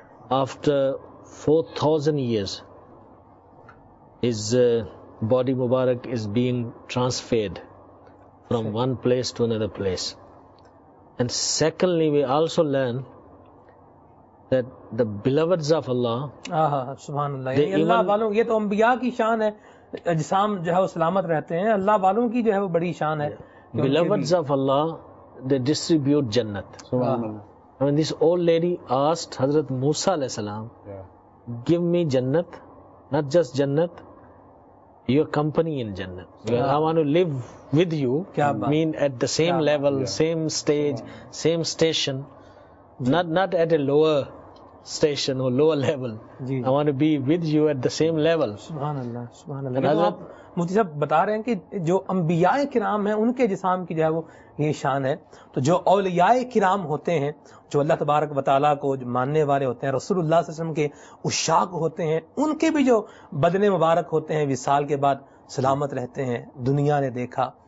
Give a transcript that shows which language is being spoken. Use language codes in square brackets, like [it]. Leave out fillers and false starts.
[en] After 4000 years his body mubarak is being transferred from one place to another place. And secondly, we also learn that the beloveds of Allah, [ur] subhanallah, yani Allah walon, ye to anbiya ki shaan hai, اجسام جو ہے وہ سلامت رہتے ہیں. اللہ والوں کی جو ہے وہ بڑی شان ہے. [en] Beloveds of Allah, they distribute jannat. [ar] Subhanallah. [en] I mean, this old lady asked Hazrat Musa alayhi salam, give me jannat, not just jannat, your company in jannat. I want to live with you. Mean at the same level, same stage, same station, not at a lower station or lower level. I want to be with you at the same level. [ar] Subhanallah. [ur] مفتی صاحب بتا رہے ہیں کہ جو انبیاء کرام ہیں ان کے جسام کی جو ہے وہ یہ شان ہے. تو جو اولیاء کرام ہوتے ہیں, جو اللہ تبارک و تعالیٰ کو جو ماننے والے ہوتے ہیں, رسول اللہ صلی اللہ علیہ وسلم کے عشاق ہوتے ہیں, ان کے بھی جو بدن مبارک ہوتے ہیں وصال کے بعد سلامت رہتے ہیں, دنیا نے دیکھا.